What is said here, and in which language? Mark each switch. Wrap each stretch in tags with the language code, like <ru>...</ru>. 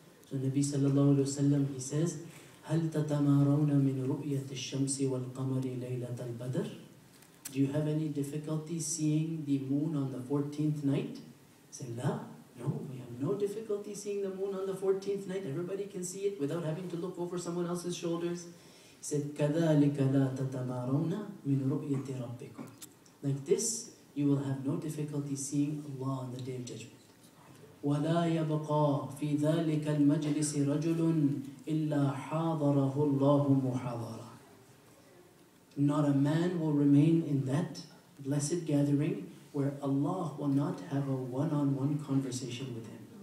<en>So Nabi sallallahu alayhi wa sallam, he says,</en> <ar>هَلْ تَتَمَارَوْنَ مِنْ رُؤْيَةِ الشَّمْسِ وَالْقَمَرِ لَيْلَةَ الْبَدْرِ.</ar> <en>Do you have any difficulty seeing the moon on the 14th night? Say,</en> <ar>لا.</ar> <en>No, we have no difficulty seeing the moon on the 14th night. Everybody can see it without having to look over someone else's shoulders. He said,</en> <ar>كَذَلِكَ لَا تَتَمَارَوْنَ مِنْ رُؤْيَةِ رَبِّكُمْ.</ar> <en>Like this, you will have no difficulty seeing Allah on the day of judgment.</en> <ar>وَلَا يَبْقَى فِي ذَلِكَ الْمَجْلِسِ رَجُلٌ إِلَّا حَاضَرَهُ اللَّهُ مُحَاضَرًا.</ar> <en>Not a man will remain in that blessed gathering where Allah will not have a one-on-one conversation with him.</en>